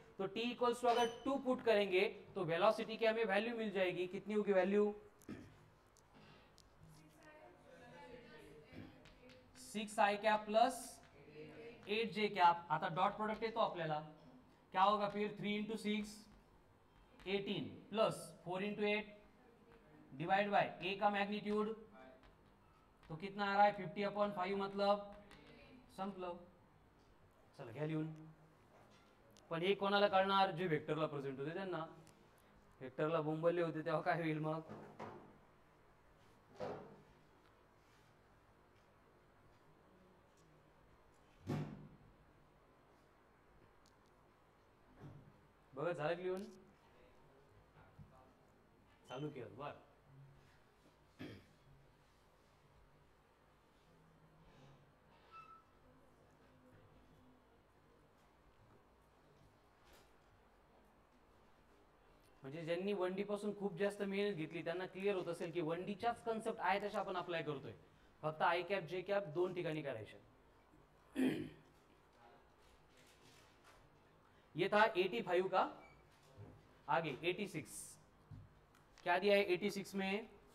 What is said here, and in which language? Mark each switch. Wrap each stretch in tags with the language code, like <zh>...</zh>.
<hi>तो t equals to अगर 2 put करेंगे तो वेलोसिटी की हमें वैल्यू मिल जाएगी, कितनी होगी value, 6i cap plus 8j cap.</hi> <mr>आता डॉट प्रोडक्ट है तो आपल्याला</mr> <hi>क्या होगा फिर, 3 × 6 = 18 प्लस 4 × 8 डिवाइड बाय a का मैग्नीट्यूड, तो कितना आ रहा है 50/5 मतलब संपलं।</hi> <mr>चला घ्या लिहून, पण हे कोणाला कळणार, जे वेक्टरला प्रेझेंट होते त्यांना, वेक्टरला बोंबलले होते तेव्हा काय होईल, मग बघा झालं लिहून चालू केलं बर। म्हणजे ज्यांनी 1D पासून खूप जास्त मेहनत घेतली त्यांना क्लिअर होत असेल की 1D कन्सेप्ट आहे तशा आपण अप्लाय करतोय, फक्त आय कॅप जे कॅप दोन ठिकाणी करायचे।</mr> <hi>येता 85 का आगे 86, क्या दिया है 86 में,</hi>